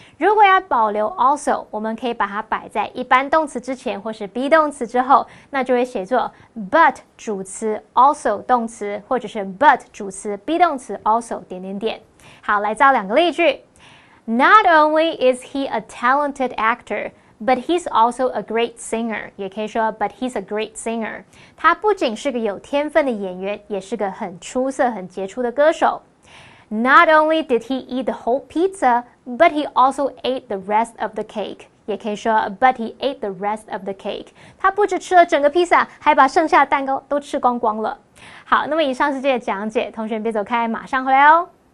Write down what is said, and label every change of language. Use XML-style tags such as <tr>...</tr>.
<zh>如果要保留 also， 我们可以把它摆在一般动词之前或是 be 动词之后，那就会写作 but 主词 also 动词，或者是 but 主词 be 动词 also 点点点。好，来造两个例句。</zh> <en>Not only is he a talented actor. But he's also a great singer.</en> <zh>也可以说</zh> <en>but he's a great singer.</en> <zh>他不仅是个有天分的演员，也是个很出色、很杰出的歌手。</zh> <en>Not only did he eat the whole pizza, but he also ate the rest of the cake.</en> <zh>也可以说</zh> <en>but he ate the rest of the cake.</en> <zh>他不只吃了整个披萨，还把剩下的蛋糕都吃光光了。好，那么以上是这个讲解，同学别走开，马上回来哦。</zh>